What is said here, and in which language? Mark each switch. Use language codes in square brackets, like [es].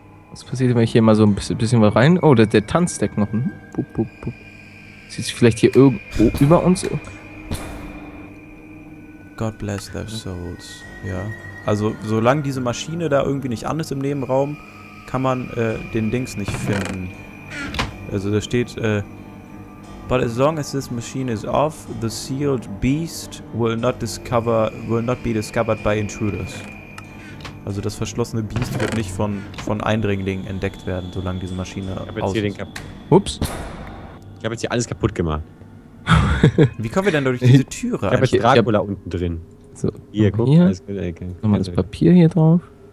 [de] Was passiert, wenn ich hier mal so ein bisschen was rein? Oh, der tanzt der Knochen. Bup, bup, bup. Sieht sich vielleicht hier irgendwo über uns? [en] God bless their souls. Ja. [de] Also, solange diese Maschine da irgendwie nicht an ist im Nebenraum, kann man den Dings nicht finden. Also, da steht, [en] But as long as this machine is off, the sealed beast will not be discovered by intruders. [de] Also das verschlossene Biest wird nicht von Eindringlingen entdeckt werden, solange diese Maschine aus ist. Ups. Ich habe jetzt hier alles kaputt gemacht. Wie kommen wir denn durch diese Türe? Ich habe jetzt Dracula unten drin. So, hier, guck. Hier. Nochmal das Papier hier drauf.